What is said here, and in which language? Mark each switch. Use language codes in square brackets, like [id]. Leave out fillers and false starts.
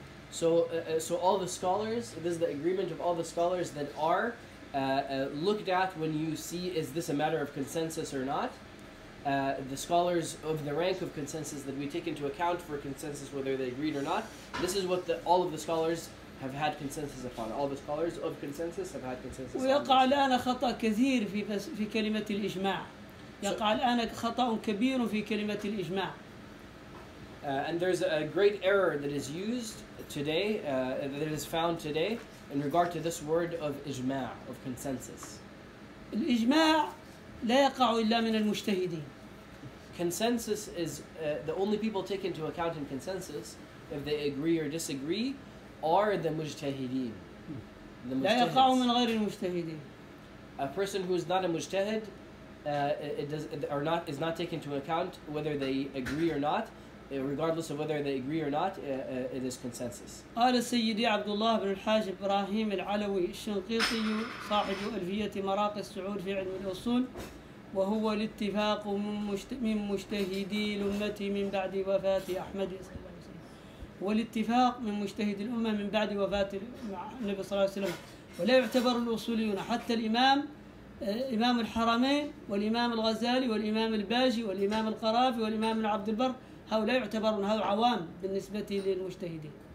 [en] So all the scholars, this is the agreement of all the scholars that are looked at when you see is this a matter of consensus or not. The scholars of the rank of consensus that we take into account for consensus whether they agreed or not. This is what all of the scholars have had consensus upon. All the scholars of consensus have had consensus. [ar] ويقع الآن خطأ كثير في كلمة الإجماع. يقع الآن خطأ كبير في كلمة الإجماع. [en] And there's a great error that is used today, that is found today, in regard to this word of إجماع, of consensus. [ar] الإجماع لا يقع إلا من المجتهدين. [en] Consensus is the only people take into account in consensus if they agree or disagree are the مجتهدين. [ar] لا يقع من غير المجتهدين. [en] A person who is not a مجتهد is not taken into account whether they agree or not. Regardless of whether they agree or not, it is consensus. [ar] قال سيدي عبد الله بن الحاج إبراهيم العلوي الشنقيطي صاحب ألفية مراقص سعود في علم الأصول وهو الاتفاق من مجتهدي الأمة من بعد وفاة أحمد صلى الله عليه وسلم والاتفاق من مجتهدي الأمة من بعد وفاة النبي صلى الله عليه وسلم ولا يعتبر الأصوليون حتى الإمام إمام الحرمين والإمام الغزالي والإمام الباجي والإمام القرافي والإمام عبد البر هؤلاء يعتبرون هؤلاء عوام بالنسبة للمجتهدين.